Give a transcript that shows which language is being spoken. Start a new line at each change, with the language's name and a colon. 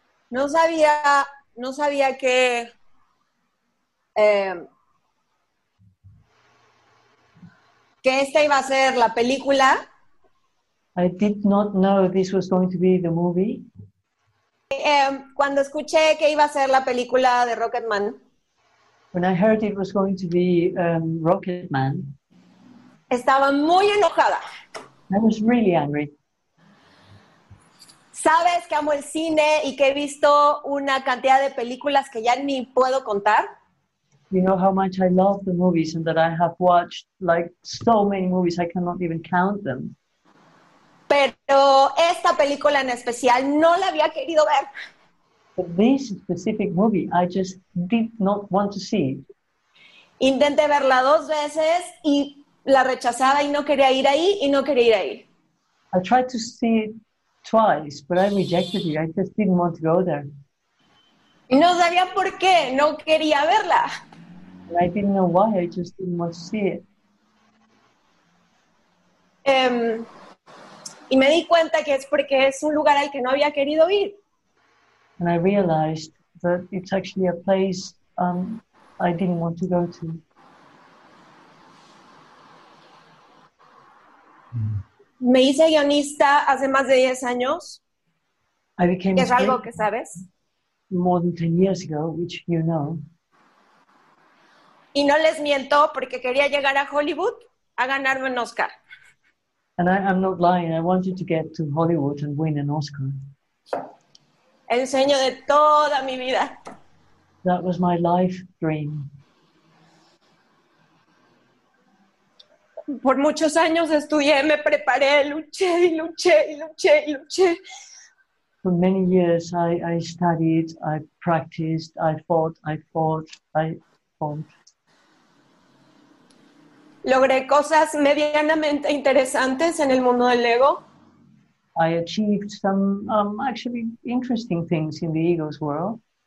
Spanish: No sabía que que esta iba a ser la película.
English: I did not know this was going to be the movie.
Spanish: Cuando escuché que iba a ser la película de Rocketman.
English: When I heard it was going to be Rocketman.
Spanish: Estaba muy enojada.
English: I was really angry.
Spanish: ¿Sabes que amo el cine y que he visto una cantidad de películas que ya ni puedo contar?
English: You know how much I love the movies and that I have watched like so many movies, I cannot even count them.
Spanish: Pero esta película en especial no la había querido ver.
English: But this specific movie, I just did not want to see.
Spanish: Intenté verla dos veces y la rechazaba y no quería ir ahí.
English: I tried to see it twice, but I rejected you. I just didn't want to go there.
Spanish: No sabía por qué, no quería verla.
English: And I didn't know why, I just didn't want to see it.
Spanish: Y me di cuenta que es porque es un lugar al que no había querido ir.
English: And I realized that it's actually a place I didn't want to go to.
Spanish: Me hice guionista hace más de 10 años.
English: I became
Spanish: a algo que sabes.
English: More than 10 years ago, which you know.
Spanish: Y no les miento porque quería llegar a Hollywood a ganarme un Oscar.
English: And I'm not lying, I wanted to get to Hollywood and win an Oscar.
Spanish: El sueño de toda mi vida.
English: That was my life dream.
Spanish: Por muchos años estudié, me preparé, luché y luché y luché y luché.
English: For many years I studied, I practiced, I fought, I fought, I fought.
Spanish: Logré cosas medianamente interesantes en el mundo del ego.
English: I achieved some actually interesting things in the ego's world.